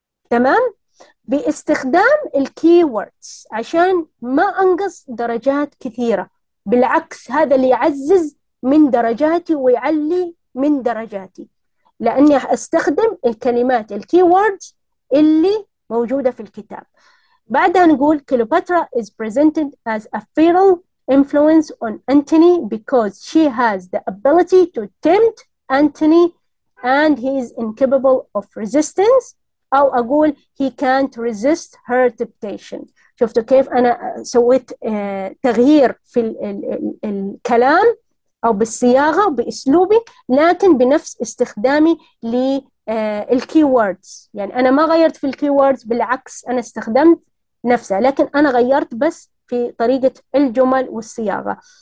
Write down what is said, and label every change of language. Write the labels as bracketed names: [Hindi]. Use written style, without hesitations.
[Arabic] تمام؟ باستخدام الكيوردز عشان ما أنقص درجات كثيرة، بالعكس هذا اللي يعزز من درجاتي ويعلي من درجاتي، لأني أستخدم الكلمات الكيوردز اللي موجودة في الكتاب. بعدها نقول [English] Cleopatra is presented as a feral influence on Antony because she has the ability to tempt Antony and he is incapable of resistance، [Arabic] أو أقول [English] he can't resist her temptation. [Arabic] شفتوا كيف أنا سويت تغيير في الكلام أو بالصياغة بأسلوبي، لكن بنفس استخدامي للكيوردز، يعني أنا ما غيرت في الكيوردز، بالعكس أنا استخدمت نفسها، لكن أنا غيرت بس في طريقة الجمل والصياغة.